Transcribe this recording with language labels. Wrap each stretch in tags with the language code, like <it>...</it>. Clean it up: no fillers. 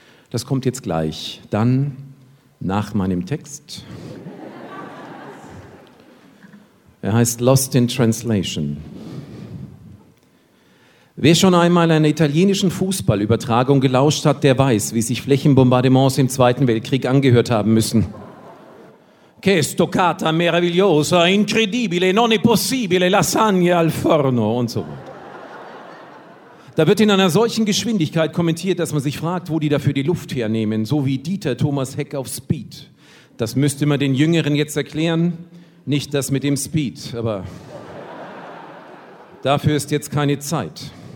<de>Das kommt jetzt gleich. Dann nach meinem Text. Er heißt Lost in Translation. Wer schon einmal einer italienischen Fußballübertragung gelauscht hat, der weiß, wie sich Flächenbombardements im Zweiten Weltkrieg angehört haben müssen.</de> <it>Che stoccata meravigliosa, incredibile, non è possibile, lasagna al forno</it> <de>und so weiter. Da wird in einer solchen Geschwindigkeit kommentiert, dass man sich fragt, wo die dafür die Luft hernehmen, so wie Dieter Thomas Heck auf Speed. Das müsste man den Jüngeren jetzt erklären, nicht das mit dem Speed, aber dafür ist jetzt keine Zeit.</de>